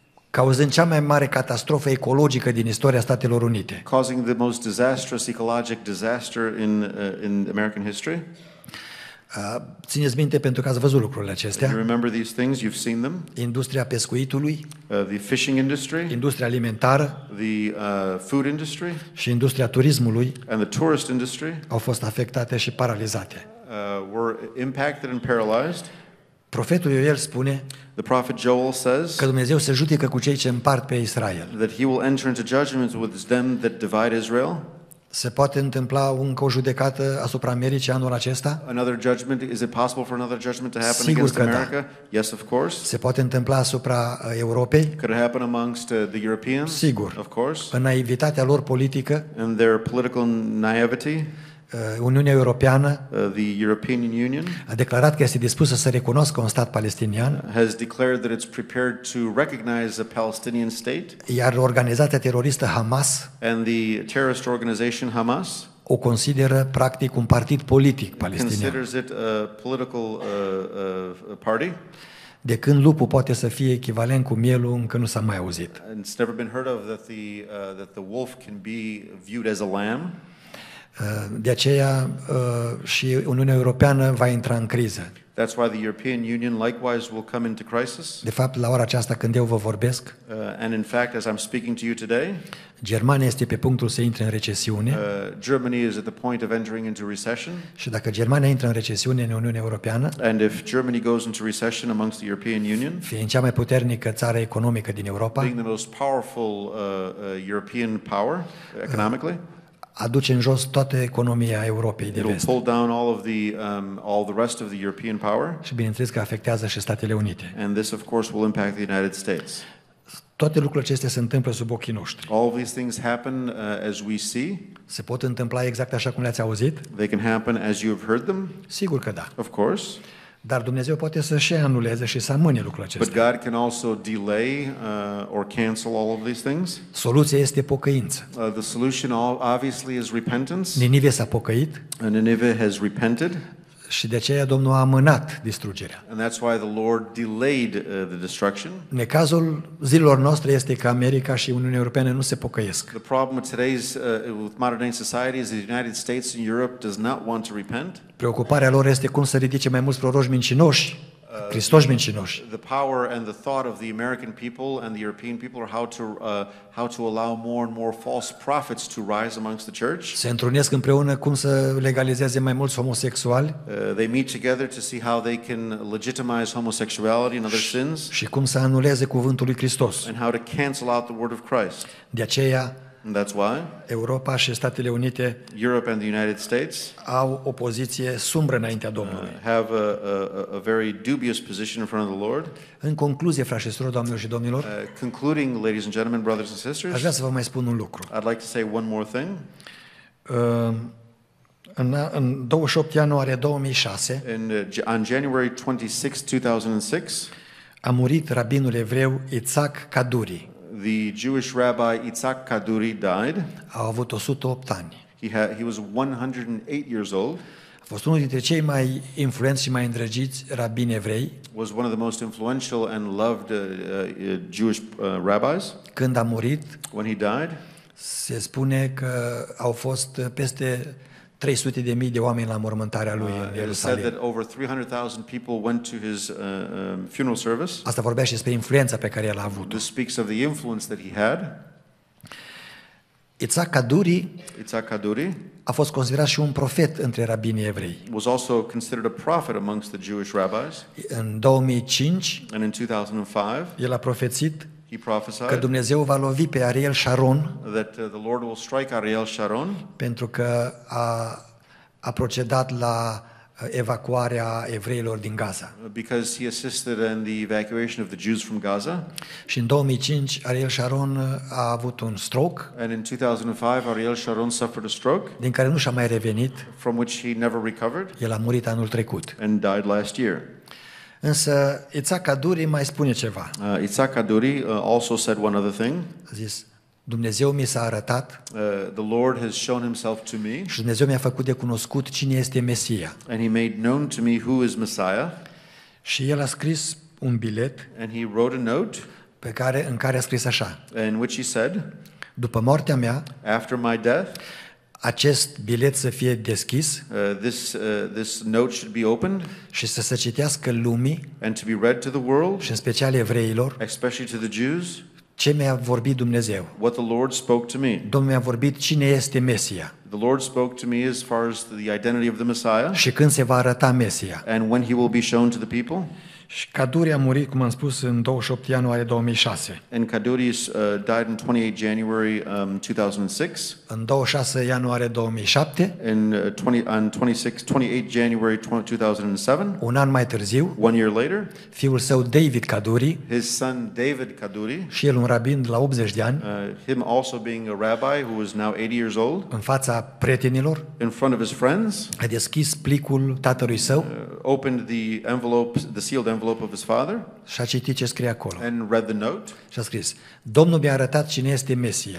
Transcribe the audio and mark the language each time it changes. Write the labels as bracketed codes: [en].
[ro] cauzând cea mai mare catastrofă ecologică din istoria Statelor Unite. [en] Causing the most disastrous ecologic disaster in American history. [ro] Țineți minte pentru că ați văzut lucrurile acestea. [en] You remember these things, you've seen them. [ro] Industria pescuitului, [en] the fishing industry, [ro] industria alimentară, [en] the food industry, [ro] și industria turismului, [en] and the tourist industry, [ro] au fost afectate și paralizate. [en] Were impacted and paralyzed. [ro] Profetul Ioel spune, [en] the prophet Joel says, [ro] că Dumnezeu se judecă cu cei ce împart pe Israel. [en] That he will enter into judgment with them that divide Israel. [ro] Se poate întâmpla încă o judecată asupra Americii anul acesta? [en] Another judgment, is it possible for another judgment to happen? [ro] Sigur [en] against [ro] că [en] America? [ro] Da. [en] Yes, of course. [ro] Se poate întâmpla asupra Europei? [en] Could it happen amongst the Europeans? [ro] Sigur. [en] Of course. [ro] În naivitatea lor politică, [en] in their political naivety, [ro] Uniunea Europeană, [en] the European Union, [ro] a declarat că este dispusă să recunoască un stat palestinian, [en] has declared that it's prepared to recognize a Palestinian state, [ro] iar organizația teroristă Hamas, [en] and the terrorist organization Hamas, [ro] o consideră practic un partid politic palestinian. [en] Considers it a political party. [ro] De când lupul poate să fie echivalent cu mielul, încă nu s-a mai auzit. [en] It's never been heard of that the wolf can be viewed as a lamb. [ro] De aceea și Uniunea Europeană va intra în criză. [en] That's why the European Union likewise will come into crisis. [ro] De fapt, la ora aceasta când eu vă vorbesc, [en] and in fact as I'm speaking to you today, [ro] Germania este pe punctul să intre în recesiune. [en] Germany is at the point of entering into recession. [ro] Și dacă Germania intră în recesiune în Uniunea Europeană, [en] and if Germany goes into recession amongst the European Union, [ro] fiind cea mai puternică țară economică din Europa, [en] being the most powerful European power economically, [ro] aduce în jos toată economia Europei de vest. [en] Pull down all of the all the rest of the European power. [ro] Și bineînțeles că afectează și Statele Unite. [en] And this of course will impact the United States. [ro] Toate lucrurile acestea se întâmplă sub ochii noștri. [en] All these things happen as we see. [ro] Se pot întâmpla exact așa cum le-ați auzit? [en] They can happen as you have heard them. [ro] Sigur că da. [en] Of course. [ro] Dar Dumnezeu poate să și anuleze și să amâne lucrurile acestea. [en] But God can also delay or cancel all of these things. [ro] Soluția este pocăință. [en] The solution obviously is repentance. [ro] Ninive s-a pocăit. [en] And Nineveh has repented. [ro] Și de aceea Domnul a amânat distrugerea. [en] And that's why the Lord delayed the destruction. [ro] Necazul zilelor noastre este că America și Uniunea Europeană nu se pocăiesc. [en] The problem of today's with modern day society is the United States and Europe does not want to repent. [ro] Preocuparea lor este cum să ridice mai mulți proroși mincinoși, Hristoși mincinoși. [en] The power and the thought of the American people and the European people are how to allow more and more false prophets to rise amongst the church. [ro] Se întrunesc împreună cum să legalizeze mai mulți homosexuali. [en] They meet together to see how they can legitimize homosexuality and other sins. [ro] Și cum să anuleze cuvântul lui Hristos. [en] And how to cancel out the word of Christ. [ro] De aceea [en] that's why [ro] Europa și Statele Unite [en] Europe and the United States [ro] au o poziție sumbră înaintea Domnului. [en] Have a very dubious position in front of the Lord. [ro] În concluzie, frașesorilor, doamnelor și domnilor, [en] concluding, ladies and gentlemen, brothers and sisters, [ro] aș vrea să vă mai spun un lucru. [en] I'd like to say one more thing. [ro] În 28 ianuarie 2006, [en] on January 26, 2006, [ro] a murit rabinul evreu Itzhak Kaduri. [en] The Jewish rabbi Itzhak Kaduri died. [ro] A avut 108 ani. [en] He was 108 years old. [ro] A fost unul dintre cei mai influenți și mai îndrăgiți rabini evrei. [en] Was one of the most influential and loved Jewish rabbis. [ro] Când a murit, [en] when he died, [ro] se spune că au fost peste 300.000 de oameni la mormântarea lui în Ierusalim. [en] It is said that over 300,000 people went to his funeral service. [ro] Asta vorbește despre influența pe care el a avut. [en] This speaks of the influence that he had. [ro] Itzhak Kaduri a fost considerat și un profet între rabinii evrei. [en] Was also considered a prophet amongst the Jewish rabbis. [ro] În 2005, [en] and in 2005, [ro] el a profețit [en] he prophesied [ro] că Dumnezeu va lovi pe Ariel Sharon, [en] that the Lord will strike Ariel Sharon, [ro] pentru că a procedat la evacuarea evreilor din Gaza. [en] Because he assisted in the evacuation of the Jews from Gaza. [ro] Și în 2005 Ariel Sharon a avut un stroke. [en] And in 2005 Ariel Sharon suffered a stroke. [ro] Din care nu și-a mai revenit. [en] From which he never recovered. [ro] El a murit anul trecut. [en] And died last year. [ro] Însă Itzhak Kaduri mai spune ceva. [en] Itzhak Kaduri also said one other thing. [ro] A zis, Dumnezeu mi s-a arătat. [en] The Lord has shown himself to me. [ro] Și Dumnezeu mi-a făcut de cunoscut cine este Mesia. [en] And he made known to me who is Messiah. [ro] Și el a scris un bilet. [en] And he wrote a note. [ro] În care a scris așa. [en] In which he said, [ro] după moartea mea, [en] after my death, [ro] acest bilet să fie deschis [en] this note should be opened [ro] și să se citească lumii [en] and to be read to the world [ro] și în special evreilor [en] especially to the Jews [ro] ce mi-a vorbit Dumnezeu [en] what the Lord spoke to me [ro] Domnul mi-a vorbit cine este Mesia [en] the Lord spoke to me as far as the identity of the Messiah [ro] și când se va arăta Mesia [en] and when he will be shown to the people [ro] și Kaduri a murit cum am spus în 28 ianuarie 2006. [en] And Kaduri died on 28 January 2006. [ro] În 26 ianuarie 2007. [en] On 28 January 2007. [ro] Un an mai târziu. [en] One year later. [ro] Fiul său David Kaduri. [en] His son David Kaduri. [ro] Și el un rabin la 80 de ani. [en] Him also being a rabbi who was now 80 years old. [ro] În fața prietenilor. [en] In front of his friends. [ro] A deschis plicul tatălui său. [en] Opened the envelope, the sealed envelope of his father. [ro] Și a citit ce scrie acolo. [en] And read the note. [ro] Și a scris: Domnul mi-a arătat cine este Mesia.